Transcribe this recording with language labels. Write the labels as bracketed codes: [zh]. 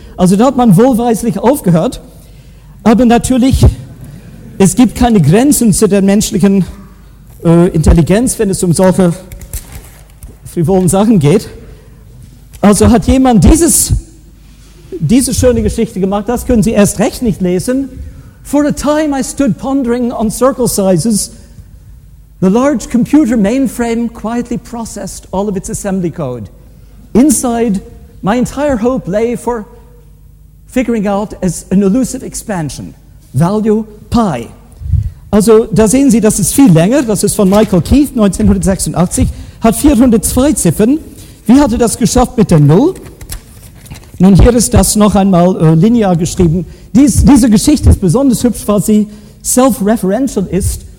[de] Also da hat man wohlweislich aufgehört. Aber natürlich, es gibt keine Grenzen zu der menschlichen Intelligenz, wenn es um solche frivolen Sachen geht. Also hat jemand diese schöne Geschichte gemacht, das können Sie erst recht nicht lesen. [en] For a time I stood pondering on circle sizes. The large computer mainframe quietly processed all of its assembly code. Inside, my entire hope lay for figuring out as an elusive expansion. Value pi. [de] Also da sehen Sie, das ist viel länger. Das ist von Michael Keith, 1986. Hat 402 Ziffern. Wie hat er das geschafft mit der Null? Nun, hier ist das noch einmal linear geschrieben. Diese Geschichte ist besonders hübsch, weil sie self-referential ist.